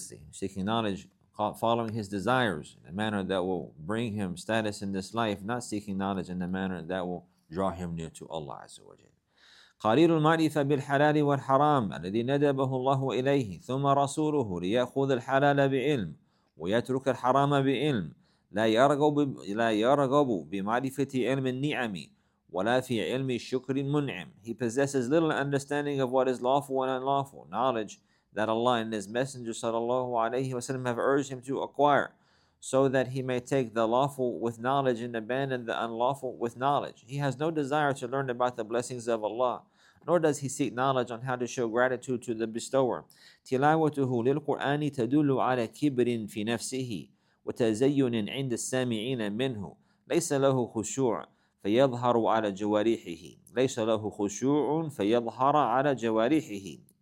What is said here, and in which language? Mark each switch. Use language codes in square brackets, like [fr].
[en] Seeking knowledge heedlessly, following his desires in a manner that will bring him status in this life, not seeking knowledge in a manner that will draw him near to Allah [ar] Azza wa Jalla. قليل المعرفة بالحلال والحرام الذي ندبه الله إليه ثم رسوله ليأخذ الحلال بعلم ويترك الحرام بعلم لا يرغب بمعرفة علم النعم ولا في علم الشكر المنعم. [en] He possesses little understanding of what is lawful and unlawful, knowledge that Allah and His Messenger [ar] sallallahu alayhi wa sallam [en] have urged him to acquire, so that he may take the lawful with knowledge and abandon the unlawful with knowledge. He has no desire to learn about the blessings of Allah, nor does he seek knowledge on how to show gratitude to the bestower. [ar] تلاوته للقرآن تدل على كبر في نفسه وتزين عند السامعين منه ليس له خشوع فيظهر على جوارحه ليس له خشوع فيظهر على جوارحه.